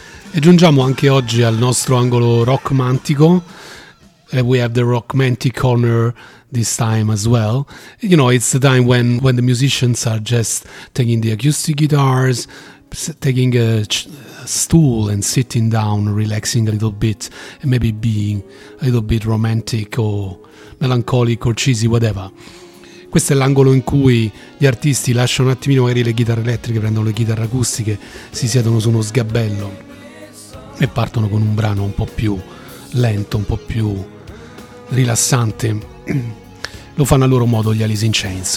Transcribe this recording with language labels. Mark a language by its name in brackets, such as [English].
[Italian] E giungiamo anche oggi al nostro angolo rockmantico. [English] We have the rockmantic corner this time as well. You know, it's the time when the musicians are just taking the acoustic guitars, taking a stool and sitting down, relaxing a little bit, and maybe being a little bit romantic or melancholic or cheesy, whatever. [Italian] Questo è l'angolo in cui gli artisti lasciano un attimino magari le chitarre elettriche, prendono le chitarre acustiche, si siedono su uno sgabello e partono con un brano un po' più lento, un po' più rilassante. Lo fanno a loro modo gli Alice in Chains.